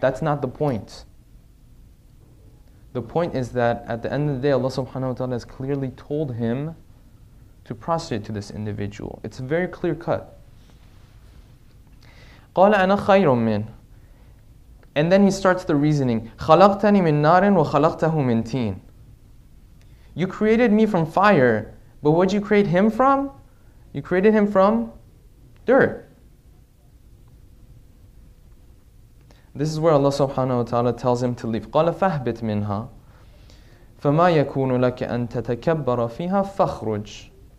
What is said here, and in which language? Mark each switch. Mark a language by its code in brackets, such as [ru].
[en] That's not the point. The point is that at the end of the day, Allah subhanahu wa ta'ala has clearly told him to prostrate to this individual. It's very clear cut. [ar] قَالَ أَنَا خَيْرٌ مِّنْ. [en] And then he starts the reasoning. [ar] خَلَقْتَنِي مِنْ نَارٍ وَخَلَقْتَهُ مِنْ تِينٍ. [en] You created me from fire, But what did you create him from? You created him from dirt. This is where Allah subhanahu wa ta'ala tells him to leave. [ar] قَالَ فَاهْبِتْ مِنْهَا فَمَا يَكُونُ لَكَ أَن تَتَكَبَّرَ فِيهَا فَخْرُجْ.